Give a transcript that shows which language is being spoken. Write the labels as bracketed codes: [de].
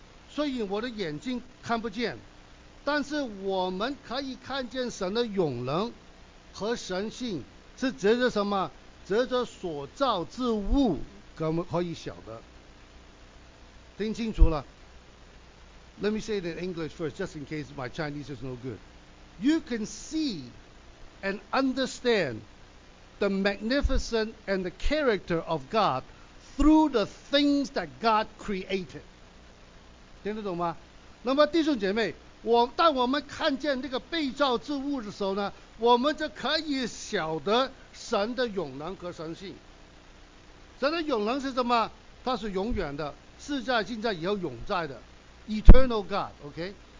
[zh] 虽然我的眼睛看不见，但是我们可以看见神的永能和神性，是藉着什么？藉着所造之物。我们可以晓得，听清楚了。 [en] Let me say it in English first, just in case my Chinese is no good. You can see and understand the magnificence and the character of God through the things that God created. [zh] 听得懂吗？那么弟兄姐妹，当我们看见那个被造之物的时候呢，我们就可以晓得神的永能和神性。神的永能是什么？它是永远的，是在、近在、以后永在的 ， [en] Eternal God。 [zh] OK。